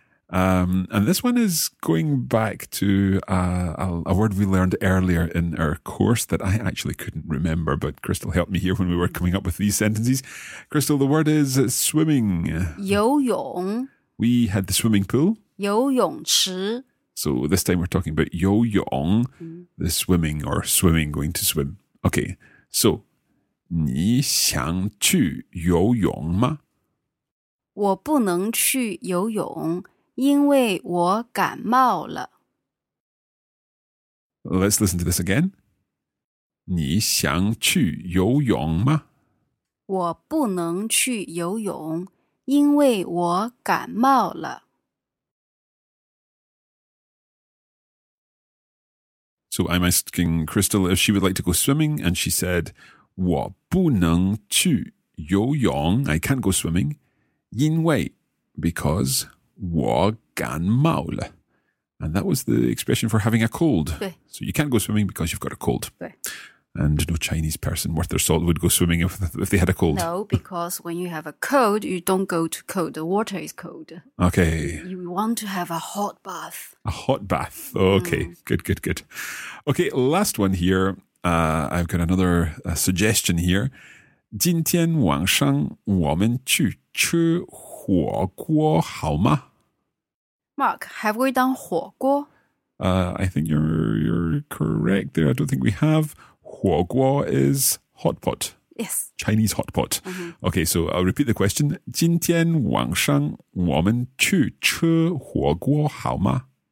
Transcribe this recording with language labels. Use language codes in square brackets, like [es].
[en] And this one is going back to a word we learned earlier in our course that I actually couldn't remember, but Crystal helped me here when we were coming up with these sentences. Crystal, the word is swimming. [zh] 游泳. [en] We had the swimming pool. [zh] 游泳池. [en] So this time we're talking about 游泳, the swimming or swimming, going to swim. Okay, so [zh] 你想去游泳吗? 我不能去游泳。因为我感冒了. [en] Let's listen to this again. [zh] 你想去游泳吗? 我不能去游泳，因为我感冒了. [en] So I'm asking Crystal if she would like to go swimming, and she said, [zh] 我不能去游泳, [en] I can't go swimming, [zh] 因为, [en] because, [zh] 我感冒了. [en] And that was the expression for having a cold. So you can't go swimming because you've got a cold. And no Chinese person worth their salt would go swimming if they had a cold. No, because when you have a cold, you don't go to cold. The water is cold. Okay. You want to have a hot bath. A hot bath. Okay, good, good, good. Okay, last one here. I've got another suggestion here. [zh] 今天晚上我们去吃火锅好吗? [en] Mark, have we done 火锅? I think you're correct there. I don't think we have. 火锅 is hot pot. Yes. Chinese hot pot. Mm-hmm. Okay, so I'll repeat the question. [zh] 今天晚上我们去吃火锅好吗?